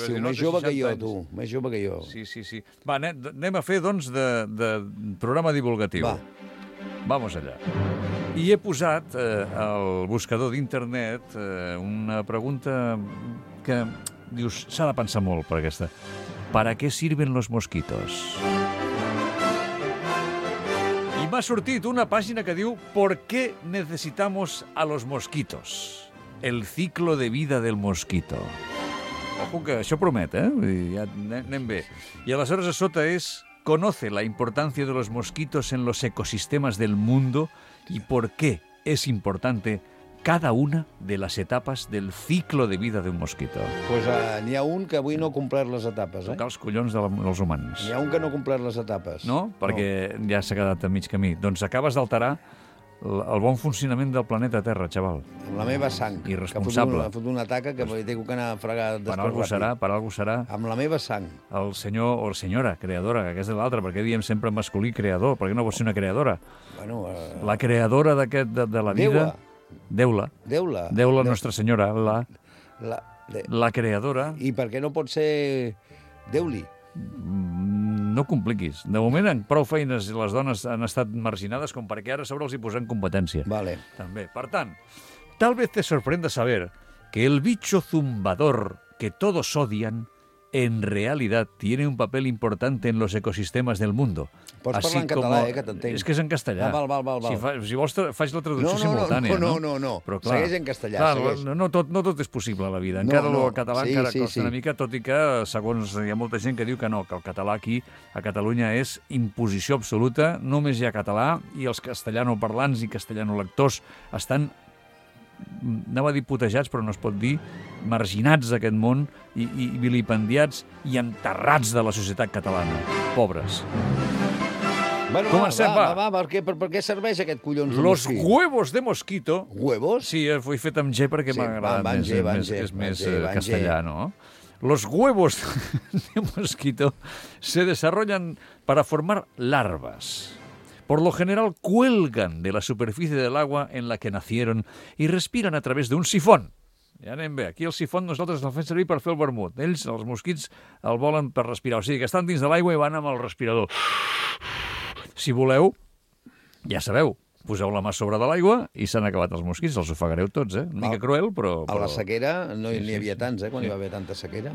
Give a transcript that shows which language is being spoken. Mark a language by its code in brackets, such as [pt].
[ca] Sí, més jove que jo, tu, més jove que jo. Sí. Va, anem a fer, doncs, de programa divulgatiu. Va. [es] Vamos allà. [ca] I he posat al buscador d'internet una pregunta que, dius, s'ha de pensar molt per aquesta... [es] ¿Para qué sirven los mosquitos? [ca] I m'ha sortit una pàgina que diu [es] ¿Por qué necesitamos a los mosquitos? El ciclo de vida del mosquito. Ojo, [ca] que això promet, ¿eh? Ja anem bé. I aleshores a sota és [es] ¿Conoce la importancia de los mosquitos en los ecosistemas del mundo? ¿Y por qué es importante cada una de [ca] les etapes [es] del ciclo de vida d'un mosquito? [ca] Pues n'hi ha un que avui no ha complert les etapes. Tocar els collons dels humans. N'hi ha un que no ha complert les etapes. No? Perquè no. Ja s'ha quedat a mig camí. Doncs acabes d'alterar el bon funcionament del planeta Terra, xaval. Amb la meva sang. Irresponsable. Que fot una taca que he hagut d'anar a fregar després. Per algú serà, per algú serà. Amb la meva sang. El senyor o la senyora creadora, que és de l'altra, perquè diem sempre masculí creador, perquè no vols ser una creadora. Bueno, la creadora d'aquest de la vida... Déu-la. Nostra Senyora, la creadora. I per què no pot ser Déu-li? No compliquis. De moment, en prou feines les dones han estat marginades com perquè ara sobre els hi posem competència. Vale. També. Per tant, [es] tal vez te sorprenda saber que el bicho zumbador que todos odian en realidad tiene un papel importante en los ecosistemas del mundo. [ca] Pots parlar en català, que t'entenc. És que és en castellà. Ah, val. Si vols, faig la traducció simultània. No. Però, clar, segueix en castellà. Clar, no tot és possible a la vida. Encara el català encara costa una mica, tot i que, segons, hi ha molta gent que diu que no, que el català aquí, a Catalunya, és imposició absoluta, només hi ha català, i els castellanoparlants i castellanolectors estan anava a dir putejats, però no es pot dir, marginats d'aquest món i vilipendiats i enterrats de la societat catalana. Pobres. Bueno, comencem, va. Per què serveix aquest collons de [es] mosquit? Los huevos de mosquito. Huevos? [ca] Sí, ho he fet amb G perquè sí, m'agrada més, castellà, no? [es] Los huevos de mosquito se desarrollan para formar larvas. Por lo general cuelgan de la superficie del agua en la que nacieron y respiran a través de un sifón. [ca] Ja anem bé. Aquí el sifón nosaltres el fem servir per fer el vermut. Ells, els mosquits, el volen per respirar. O sigui, que estan dins de l'aigua i van amb el respirador. Si voleu, ja sabeu, poseu la mà sobre de l'aigua i s'han acabat els mosquits, els ofegareu tots, eh? Una mica cruel, però... A la sequera no hi havia tants, quan hi va haver tanta sequera.